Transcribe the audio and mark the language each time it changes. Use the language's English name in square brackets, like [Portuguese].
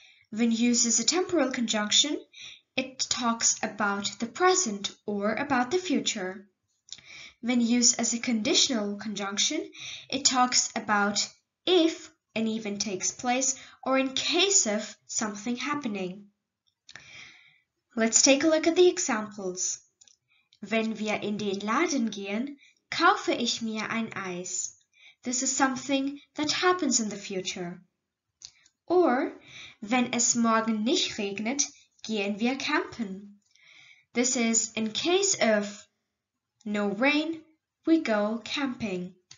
[English] When used as a temporal conjunction, it talks about the present or about the future. When used as a conditional conjunction, it talks about if an event takes place or in case of something happening. Let's take a look at the examples. [German] Wenn wir in den Laden gehen, kaufe ich mir ein Eis. [English] This is something that happens in the future. [German] Or, wenn es morgen nicht regnet, gehen wir campen. [English] This is in case of no rain, we go camping.